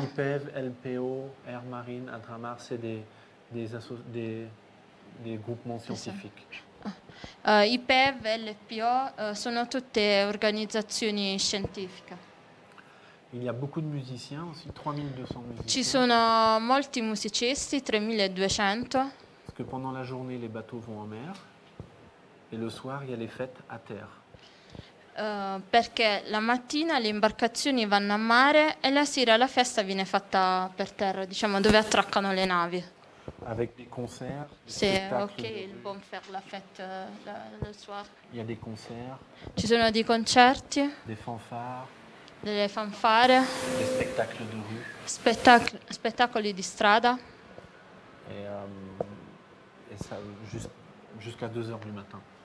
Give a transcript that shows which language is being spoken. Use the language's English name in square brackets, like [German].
[French] IPEV, LPO, Air Marine, Adramar, c'est des groupements scientifiques. [Italian] IPEV, LPO sono tutte organizzazioni scientifiche. [French] Il y a beaucoup de musiciens aussi, 3200 musiciens. [Italian] Ci sono molti musicisti, 3200. [French] Parce que pendant la journée, les bateaux vont en mer et le soir, il y a les fêtes à terre. [Italian] Perché la mattina le imbarcazioni vanno a mare e la sera la festa viene fatta per terra, diciamo, dove attraccano le navi. [French] Avec des concerts, des [Italian] sì, ok, [French] ils vont faire la fête le soir. Il y a des concerts. [Italian] Ci sono dei concerti. [French] Des fanfare. [Italian] Delle fanfare. [French] Des spettacles de rue. [Italian] Spettacoli di strada. [French] Et ça, jusqu'à 2 heures du matin.